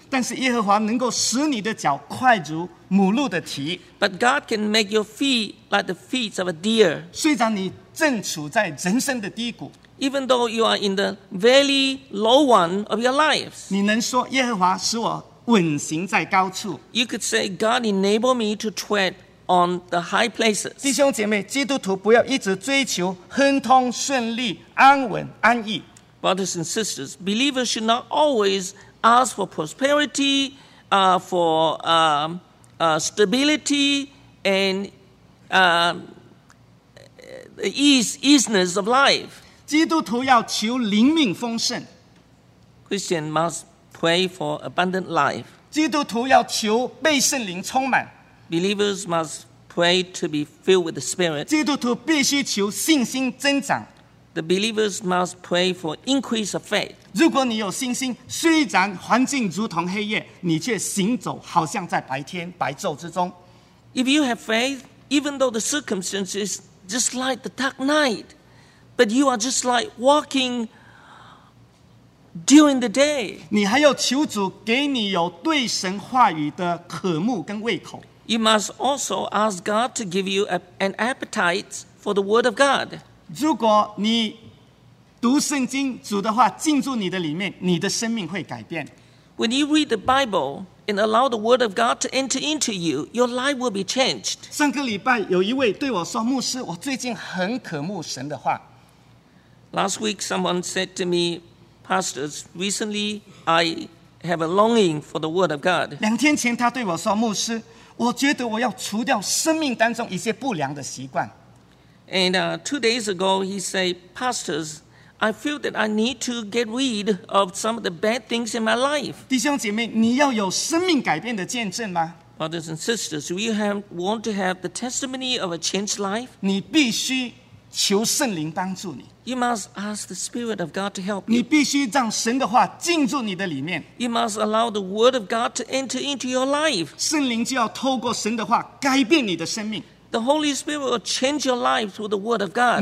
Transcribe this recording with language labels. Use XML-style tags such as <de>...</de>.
<zh>但是耶和华能够使你的脚快如母鹿的蹄</zh> <en>But God can make your feet like the feet of a deer.</en> <zh>虽然你正处在人生的低谷</zh> <en>Even though you are in the very low one of your lives.</en> <zh>你能说耶和华使我稳行在高处</zh> <en>You could say God enable me to tread on the high places.</en> <zh>弟兄姐妹基督徒不要一直追求亨通顺利安稳安逸</zh> <en>Brothers and sisters, believers should not always ask for prosperity, stability and easiness of life.</en> <zh>基督徒要求灵命丰盛。</zh> <en>Christian must pray for abundant life.</en> <zh>基督徒要求被圣灵充满。</zh> <en>Believers must pray to be filled with the Spirit.</en> <zh>基督徒必须求信心增长。</zh> <en>The believers must pray for increase of faith.</en> <zh>如果你有信心，虽然环境如同黑夜，你却行走好像在白天白昼之中。</zh> <en>If you have faith, even though the circumstance is just like the dark night, but you are just like walking during the day.</en> <zh>你还要求主给你有对神话语的渴慕跟胃口。</zh> <en>You must also ask God to give you an appetite for the word of God.</en> <zh>如果你读圣经，主的话进入你的里面，你的生命会改变。</zh> <en>When you read the Bible and allow the Word of God to enter into you, your life will be changed.</en> <zh>上个礼拜有一位对我说：“牧师，我最近很渴慕神的话。”</zh> <en>Last week, someone said to me, "Pastors, recently I have a longing for the Word of God."</en> <zh>两天前，他对我说：“牧师，我觉得我要除掉生命当中一些不良的习惯。”</zh> <en>And two days ago, he said, "Pastors, I feel that I need to get rid of some of the bad things in my life."</en> <zh>弟兄姐妹，你要有生命改变的见证吗</zh> <en>？Brothers and sisters, do you want to have the testimony of a changed life?</en> <zh>你必须求圣灵帮助你。</zh> <en>You must ask the Spirit of God to help you.</en> <zh>你必须让神的话进入你的里面。</zh> <en>You must allow the Word of God to enter into your life.</en> <zh>圣灵就要透过神的话改变你的生命。</zh> <en>The Holy Spirit will change your life through the Word of God.</en>